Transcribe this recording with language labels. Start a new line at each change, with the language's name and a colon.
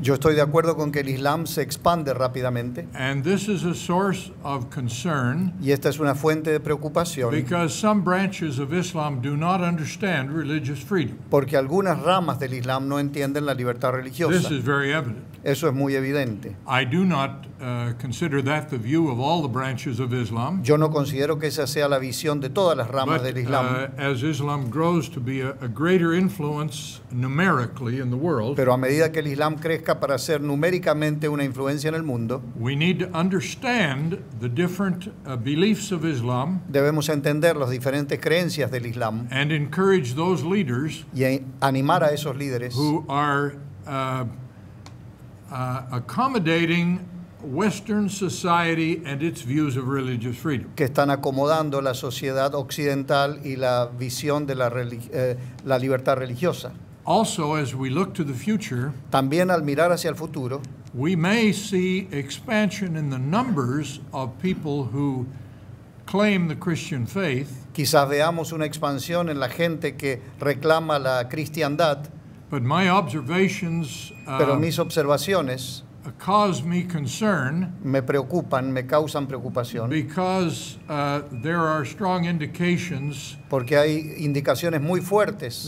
Spanish: Yo estoy de acuerdo con que el Islam se expande rápidamente.
English: And this is a source of concern.
Spanish: Y esta es una fuente de preocupación.
English: Because some branches of Islam do not understand religious freedom.
Spanish: Porque algunas ramas del Islam no entienden la libertad religiosa.
English: This is very evident.
Spanish: Eso es muy evidente.
English: I do not consider that the view of all the branches of Islam.
Spanish: Yo no considero que esa sea la visión de todas las ramas del Islam.
English: But as Islam grows to be a greater influence numerically in the world.
Spanish: Pero a medida que el Islam crezca para ser numéricamente una influencia en el mundo.
English: We need to understand the different beliefs of Islam.
Spanish: Debemos entender las diferentes creencias del Islam.
English: And encourage those leaders.
Spanish: Y animar a esos líderes.
English: Who are accommodating Western society and its views of religious freedom.
Spanish: Que están acomodando la sociedad occidental y la visión de la libertad religiosa.
English: Also, as we look to the future,
Spanish: también al mirar hacia el futuro,
English: we may see expansion in the numbers of people who claim the Christian faith.
Spanish: Quizás veamos una expansión en la gente que reclama la cristiandad.
English: But my observations,
Spanish: pero mis observaciones,
English: cause me concern.
Spanish: Me preocupan, me causan preocupación.
English: Because there are strong indications.
Spanish: Porque hay indicaciones muy fuertes.